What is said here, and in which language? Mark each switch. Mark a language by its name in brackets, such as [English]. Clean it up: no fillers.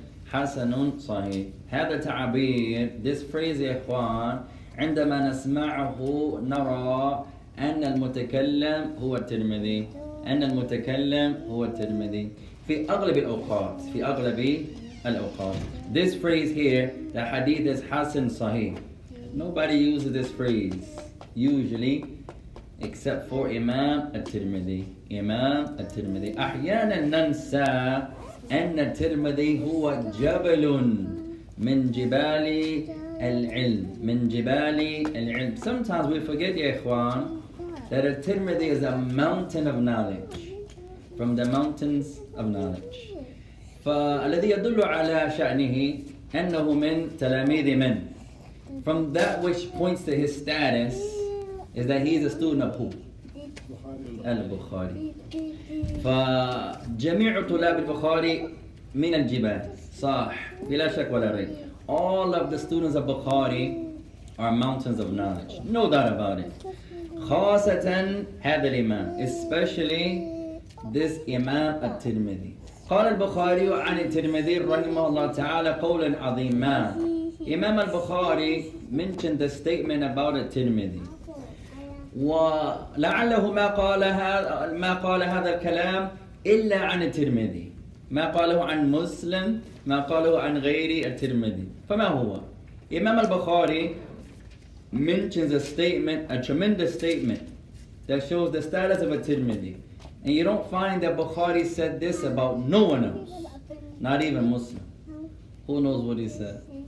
[Arabic] حسنٌ صحيح هذا تعبير [English] This phrase [Arabic] يا إخوان عندما نسمعه نرى أن المتكلم هو الترمذي أن المتكلم هو الترمذي في أغلب الأوقات في أغلب الأوقات [English] This phrase here The hadith is [Arabic] حسن صحيح [English] Nobody uses this phrase usually except for Imam al-Tirmidhi. Imam al-Tirmidhi. [Arabic] أحياناً ننسى أن الترمذي هو جبل من جبال العلم. من جبال العلم. [English] Sometimes we forget, [Arabic] يا إخوان, [English] that al-Tirmidhi is a mountain of knowledge. from the mountains of knowledge. [Arabic] فالذي يدل على شأنه أنه من تلاميذ من. [English] From that which points to his status is that he is a student of who? [Arabic] البخاري. فجميع طلاب البخاري من الجبال. صح. بلا شك ولا ريب. [English] All of the students of Bukhari are mountains of knowledge. No doubt about it. [Arabic] خاصة هذا الإمام. [English] Especially this Imam al-Tirmidhi. [Arabic] قال البخاري عن الترمذي رحمه الله تعالى قولا عظيما. [English] إمام البخاري mentioned the statement about الترمذي. [Arabic] ولعله ما قالها ما قال هذا الكلام إلا عن الترمذي. ما قاله عن مسلم ما قاله عن غير الترمذي. فما هو؟ [English] إمام البخاري mentions a statement, a tremendous statement that shows the status of الترمذي. And you don't find that Bukhari said this about no one else, not even Muslim. Who knows what he said?